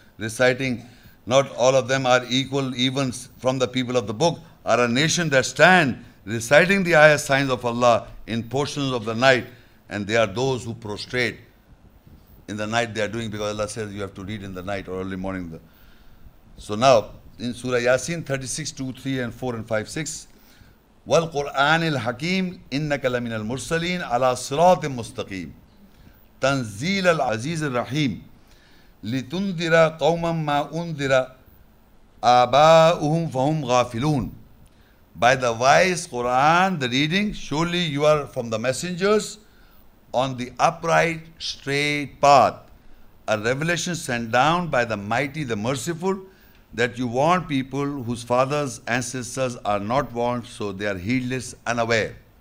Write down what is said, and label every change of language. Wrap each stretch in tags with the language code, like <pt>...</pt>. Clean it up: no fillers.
<en>reciting, not all of them are equal, even from the people of the book, are a nation that stand reciting the ayah signs of Allah in portions of the night, and they are those who prostrate in the night. They are doing because Allah says you have to read in the night or early morning. So now, in Surah Yasin 36, 2, 3, and 4, and 5, 6,</en> <ar>والقرآن الحكيم إنك لمن المرسلين على صراط مستقيم تنزيل العزيز الرحيم لتنذر قوما ما أنذر آباؤهم فهم غافلون.</ar> <en>By the wise Quran, the reading, surely you are from the messengers on the upright, straight path, a revelation sent down by the mighty, the merciful, that you warn people whose fathers, ancestors are not warned, so they are heedless, unaware.</en>